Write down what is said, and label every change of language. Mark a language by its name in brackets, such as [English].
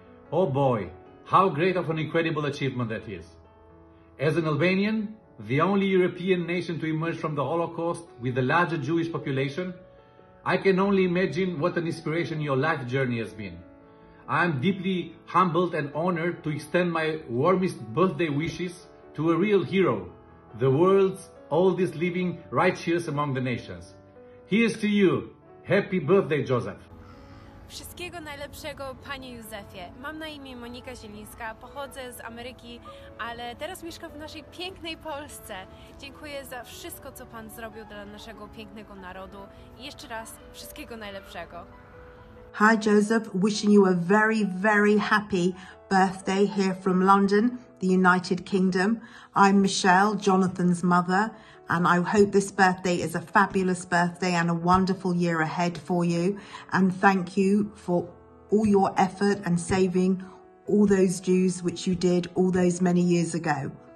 [English] Oh boy, how great of an incredible achievement that is. As an Albanian, the only European nation to emerge from the Holocaust with the larger Jewish population, I can only imagine what an inspiration your life journey has been. I am deeply humbled and honored to extend my warmest birthday wishes to a real hero, the world's oldest living righteous among the nations. Here's to you. Happy birthday, Joseph. [Polish] Wszystkiego najlepszego, panie Józefie. Mam na imię Monika Zielińska, pochodzę z Ameryki, ale teraz mieszkam w naszej pięknej Polsce. Dziękuję za wszystko, co pan zrobił dla naszego pięknego narodu. I jeszcze raz wszystkiego najlepszego. [English] Hi, Joseph. Wishing you a very, very happy birthday here from London, the United Kingdom. I'm Michelle, Jonathan's mother, and I hope this birthday is a fabulous birthday and a wonderful year ahead for you. And thank you for all your effort and saving all those Jews, which you did all those many years ago.